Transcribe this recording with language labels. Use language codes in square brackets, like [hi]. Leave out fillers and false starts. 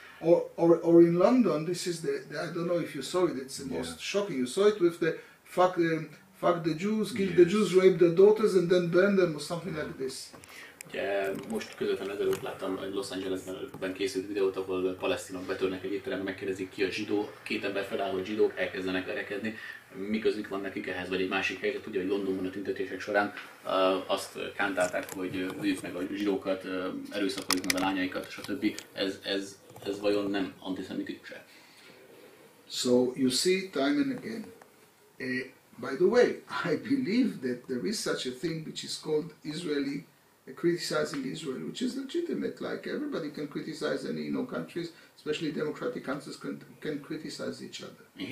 [en] Or in London, this is the I don't know if you saw it, it's the most shocking. You saw it with the fuck the Jews, kill the Jews, rape their daughters, and then burn them, or something like this. [hu] Ugye most közvetlenül ezelőtt láttam egy Los Angelesben készült videót, ahol palesztinok betörnek egy étterembe, megkérdezik ki a zsidó, két ember feláll, hogy zsidók, elkezdenek verekedni. Mi közük van nekik ehhez, vagy egy másik helyzet, ugye, hogy Londonban a tüntetések során azt kántálták, hogy üljük meg a zsidókat, erőszakoljuk meg a lányaikat, stb. Ez vajon nem antiszemitikus-e? [en] So, you see time and again. By the way, I believe that there is such a thing which is called Israeli criticizing Israel, which is legitimate, like everybody can criticize any, you know, countries, especially democratic countries can criticize each other.